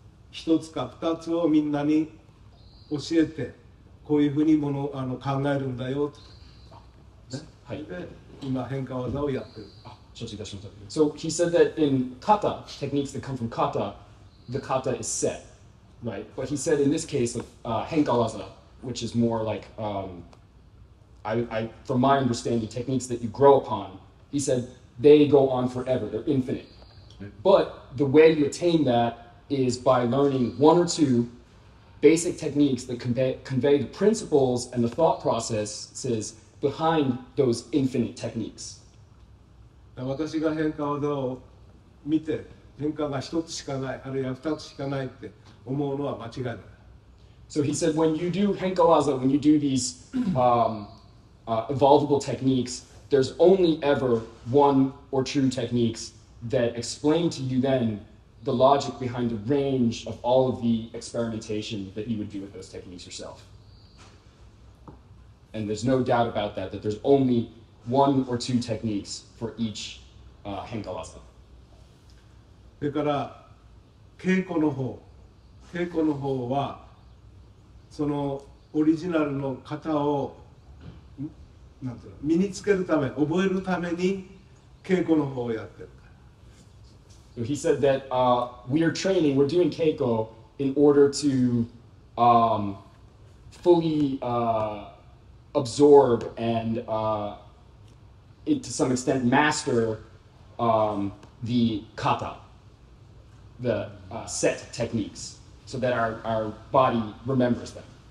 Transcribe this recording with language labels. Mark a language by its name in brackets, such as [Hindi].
[Japanese] 一つか二つをみんなに教えて、こういうふうにもの、あの考えるんだよと、ね、はい、今変化技をやってる。あ、承知いたしました。 [English] So he said that in kata, techniques that come from kata, the kata is set, right? But he said in this case of henka waza, which is more like, I, from my understanding, techniques that you grow upon, he said they go on forever, they're infinite. But the way you attain that is by learning one or two basic techniques that convey the principles and the thought processes behind those infinite techniques. [Japanese] 私が変化技を見て、変化が一つしかない、あるいは二つしかないって思うのは間違いない。 [English] So he said when you do henka waza, when you do these evolvable techniques, there's only ever one or two techniques that explain to you then the logic behind the range of all of the experimentation that you would do with those techniques yourself. And there's no doubt about that, that there's only one or two techniques for each henka waza. [Japanese] それから稽古の方はそのオリジナルの型をなんていうの、身につけるため、覚えるために稽古の方をやってる。 [English] So he said that we are training, we're doing keiko in order to fully absorb and to some extent master the kata, the set techniques, so that our body remembers them.